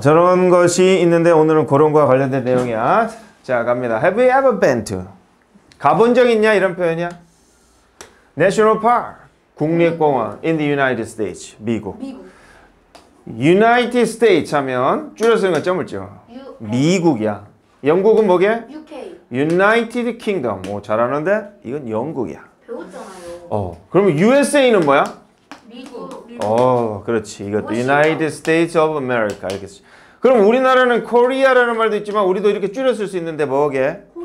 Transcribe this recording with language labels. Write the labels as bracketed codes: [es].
[ko] 저런 것이 있는데 오늘은 그런 거와 관련된 내용이야. 자 갑니다. [en] Have you ever been to? [ko] 가본 적 있냐 이런 표현이야. [en] National Park 국립공원 in the United States 미국. [ko] United States 하면 줄여서 이거 점을 찍어. 미국이야. 영국은 뭐게? [en] UK. United Kingdom. [ko] 오, 잘하는데 이건 영국이야. 배웠잖아요. 그러면 USA는 뭐야? 미국. 그렇지. 이것도 멋있다. [en] United States of America [ko] 이렇게 쓰지. 그럼 우리나라는 Korea라는 말도 있지만 우리도 이렇게 줄여 쓸 수 있는데 뭐게?